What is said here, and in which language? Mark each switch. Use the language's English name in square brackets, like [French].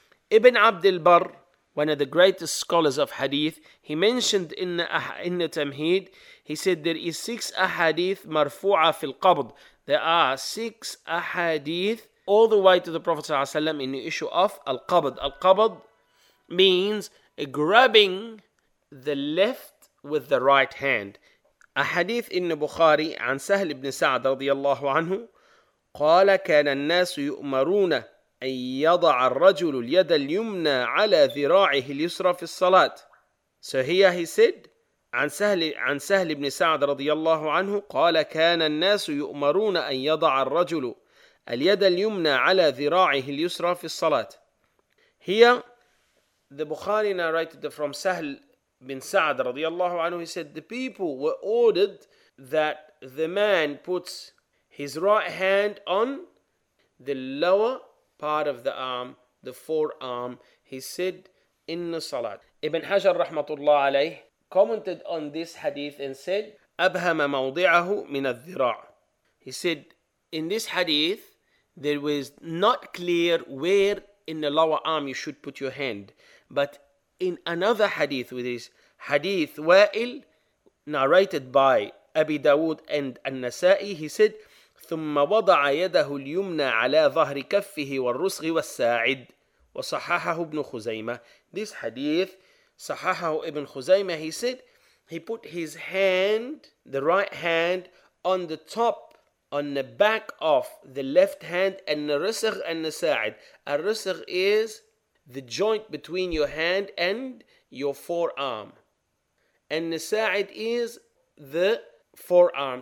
[English] Ibn Abd al-Barr, one of the greatest scholars of hadith, he mentioned in the Tamheed, he said there is 6 ahadith marfu'a fil qabd. There are 6 ahadith all the way to the Prophet ﷺ in the issue of al-qabd. Al-qabd means grabbing the left with the right hand. A hadith in Bukhari [Arabic] عن سهل بن سعد رضي الله عنه قال كان الناس يؤمرون أن يضع الرجل اليد اليمنى على ذراعه اليسرى في الصلاة. [English] So here he said, [Arabic] عن سهل بن سعد رضي الله عنه قال كان الناس يؤمرون أن يضع الرجل اليد اليمنى على ذراعه اليسرى في الصلاة. [English] Here the Bukhari narrated from Sahl bin Sa'd رضي الله عنه, he said the people were ordered that the man puts his right hand on the lower part of the arm, the forearm. He said in the salat. Ibn Hajar رحمة الله عليه commented on this hadith and said [Arabic] أبهم موضعه من الذراع. [English] He said in this hadith there was not clear where in the lower arm you should put your hand, but in another hadith, with this hadith Wa'il narrated by Abi Dawood and An-Nasa'i, he said [Arabic] ثم وضع يده اليمنى على ظهر كفه والرسغ والساعد وصححه ابن خزيمة. [English] This hadith [Arabic] صححه ابن خزيمة. [English] He said he put his hand, the right hand, on the top, on the back of the left hand, and the rusgh and the sa'id. A rusgh is the joint between your hand and your forearm, and the sa'id is the forearm.